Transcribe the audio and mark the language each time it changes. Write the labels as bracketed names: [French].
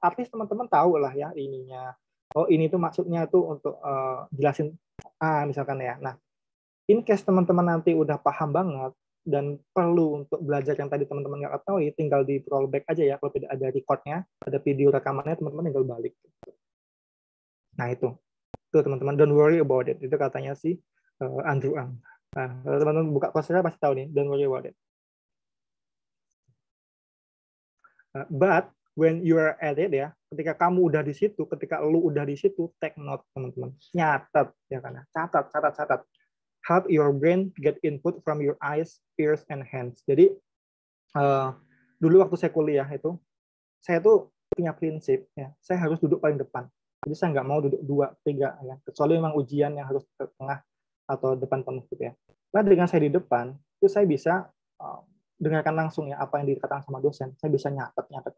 [Indonesian] At least teman-teman tahu lah ya ininya. Oh, ini tuh maksudnya tuh untuk jelasin misalkan ya. Nah, [English] in case [Indonesian] teman-teman nanti udah paham banget dan perlu untuk belajar yang tadi teman-teman nggak tahu, ya, tinggal di rollback aja ya. Kalau tidak ada record-nya, ada video rekamannya, teman-teman tinggal balik. Nah, itu. Tuh teman-teman, [English] don't worry about it. [Indonesian] Itu katanya si Andrew Ang. Nah, kalau teman-teman buka kursusnya pasti tahu nih, [English] don't worry about it. But when you are at it [Indonesian] ya, ketika kamu udah di situ, ketika lu udah di situ, [English] take note [Indonesian] teman-teman. Nyatet ya kan. Catat, catat, catat. [English] Help your brain get input from your eyes, ears and hands. [Indonesian] Jadi dulu waktu saya kuliah itu, saya tuh punya prinsip ya, saya harus duduk paling depan. Jadi saya nggak mau duduk dua, tiga, ya. Kecuali memang ujian yang harus ke tengah atau depan penuh gitu ya. Nah, dengan saya di depan, itu saya bisa dengarkan langsung ya apa yang dikatakan sama dosen. Saya bisa nyatet.